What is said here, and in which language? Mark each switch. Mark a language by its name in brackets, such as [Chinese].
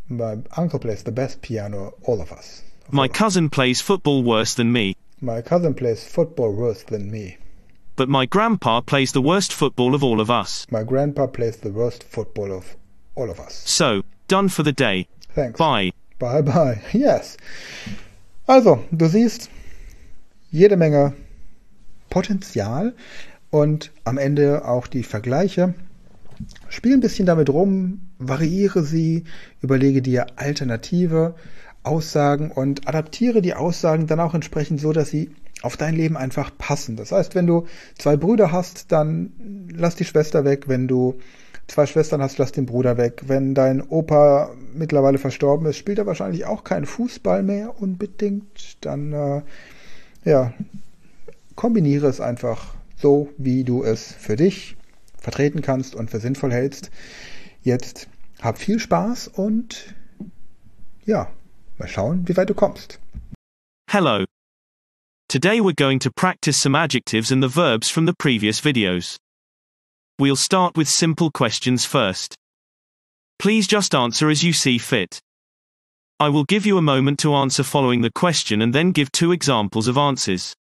[English] My uncle plays the best piano of all of us. My cousin plays football worse than me. My cousin plays football worse than me. But my grandpa plays the worst football of all of us. My grandpa plays the worst football of all of us. So, done for the day. Thanks. Bye. Bye-bye. Yes. [German] Also, du siehst jede Menge Potenzial. und am Ende auch die Vergleiche. Spiel ein bisschen damit rum, variiere sie, überlege dir alternative Aussagen und adaptiere die Aussagen dann auch entsprechend so, dass sie auf dein Leben einfach passen. Das heißt, wenn du zwei Brüder hast, dann lass die Schwester weg. Wenn du zwei Schwestern hast, lass den Bruder weg. Wenn dein Opa mittlerweile verstorben ist, spielt er wahrscheinlich auch keinen Fußball mehr unbedingt. Dann kombiniere es einfach so, wie du es für dich vertreten kannst und für sinnvoll hältst. Jetzt hab viel Spaß und ja, mal schauen, wie weit du kommst. [English] Hello. Today we're going to practice some adjectives and the verbs from the previous videos. We'll start with simple questions first. Please just answer as you see fit. I will give you a moment to answer following the question and then give two examples of answers.